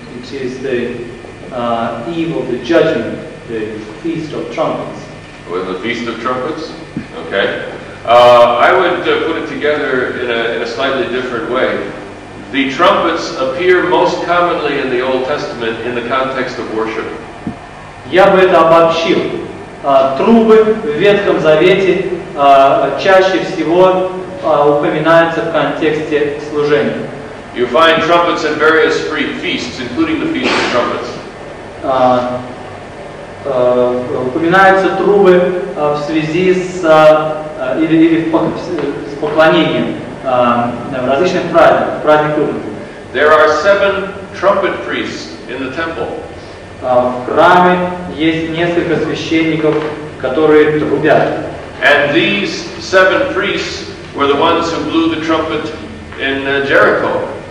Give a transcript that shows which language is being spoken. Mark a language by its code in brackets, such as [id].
[en] It is the eve of the judgment, the feast of trumpets. With the feast of trumpets, okay. I would put it together in a slightly different way. The trumpets appear most commonly in the Old Testament in the context of worship. [ru] Я бы это обобщил. Трубы в Ветхом Завете чаще всего упоминаются в контексте служения. [en] You find trumpets in various feasts, including the Feast of Trumpets. [ru] Упоминаются трубы в связи с или с поклонением в различных праздниках, праздник трубы. [en] There are seven trumpet priests in the temple. [ru] В храме есть несколько священников, которые трубят. [en] And these seven priests were the ones who blew the trumpet in Jericho.